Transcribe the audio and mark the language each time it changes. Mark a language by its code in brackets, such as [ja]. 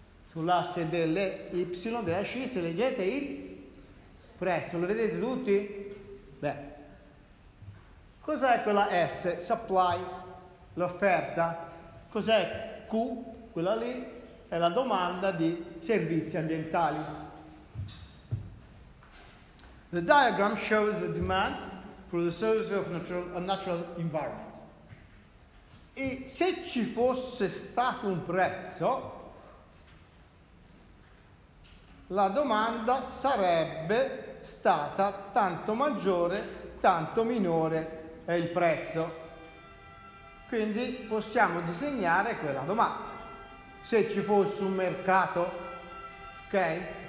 [it] Sull'asse delle Y, della X, se leggete il prezzo, lo vedete tutti? Beh, cos'è quella S? Supply, l'offerta. Cos'è Q? Quella lì è la domanda di servizi ambientali. [en] The diagram shows the demand for the services of natural environment. [it] E se ci fosse stato un prezzo, la domanda sarebbe stata: tanto maggiore, tanto minore è il prezzo. Quindi possiamo disegnare quella domanda. Se ci fosse un mercato, ok?